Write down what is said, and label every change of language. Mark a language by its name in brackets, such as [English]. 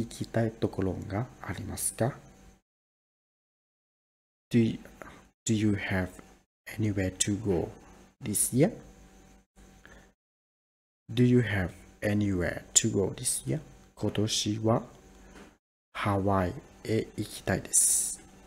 [Japanese] 今年は行きたいところがありますか? [English] Do you have anywhere to go this year? Do you have anywhere to go this year? [Japanese] 今年はハワイへ行きたいです.